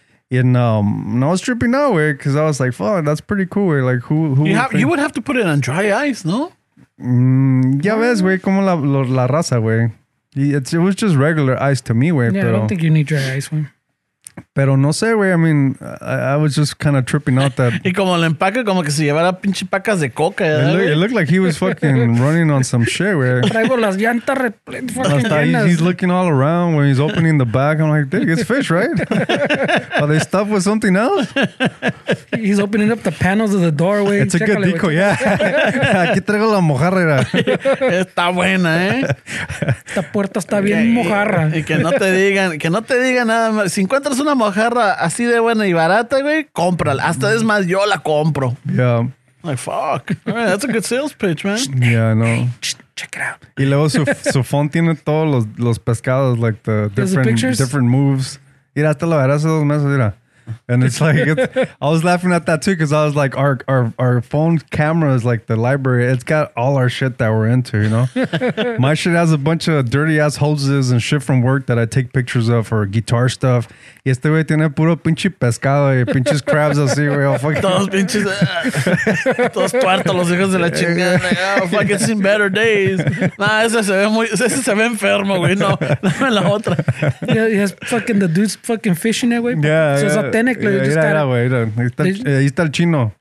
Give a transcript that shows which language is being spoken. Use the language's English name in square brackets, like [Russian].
[English] And I was tripping out, way, because I was like, fuck, that's pretty cool, way. Like, who you would have to put it on dry ice, no? [Spanish] Ya ves, way, como la raza, way. [English] It was just regular ice to me, way. Yeah, [Spanish] pero, [English] I don't think you need dry ice, way. [Spanish] Pero no sé, [English] way, I mean, I was just kind of tripping out that. [Spanish] Y como el empaque, como que se llevara pinche pacas de coca. [English] It looked like he was fucking running on some shit, way. [Spanish] Traigo las llantas fucking llenas. [English] He's looking all around when he's opening the bag. I'm like, dude, it's fish, right? Are they stuffed with something else? He's opening up the panels of the doorway. It's Checkale, a good dico, yeah. [Spanish] Aquí traigo la mojarra. Está buena, eh. Esta puerta está bien mojarra. Y que no te digan nada más. Si encuentras una mojarra así de buena y barata, güey, cómprala. Hasta es más, yo la compro. [English] Yeah. Like, fuck. All right, that's a good sales pitch, man. Yeah, I know. Check it out. [Spanish] Y luego su phone tiene todos los pescados, [English] like the different moves. [Spanish] Mira, te lo verás dos meses, mira. [English] And it's like, I was laughing at that too because I was like, our phone camera is like the library. It's got all our shit that we're into, you know? My shit has a bunch of dirty ass hoses and shit from work that I take pictures of or guitar stuff. [Spanish] Y este güey tiene puro pinche pescado y pinches crabs así, güey. Oh, todos pinches. Todos tuertos los hijos de la chingada. [English] Oh, fuck, it's in better days. Nah, [Spanish] ese se ve enfermo, güey. No, dame la otra. [English] Yeah, he's fucking, the dude's fucking fishing it, güey. Yeah, so yeah. [Spanish] Técnico, yeah, mira, mira, güey, ahí está el chino.